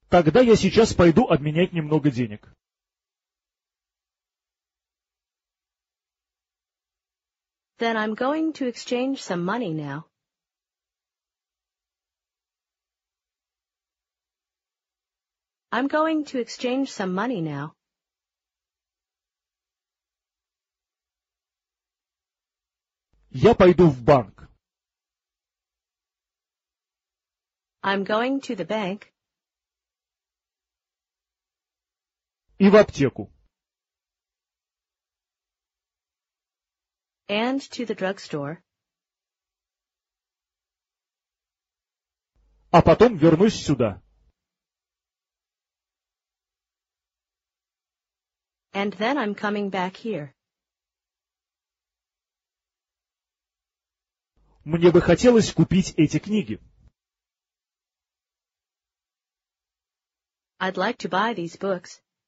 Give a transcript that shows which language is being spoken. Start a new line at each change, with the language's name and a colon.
Russian: Тогда я сейчас пойду обменять немного денег.
English: Then I'm going to exchange some money now. I'm going to exchange some money now.
Russian: Я пойду в банк.
English: I'm going to the bank.
Russian: И в аптеку.
English: And to the drugstore.
Russian: А потом вернусь сюда.
English: And then I'm coming back here.
Russian: Мне бы хотелось купить эти книги.
English: I'd like to buy these books.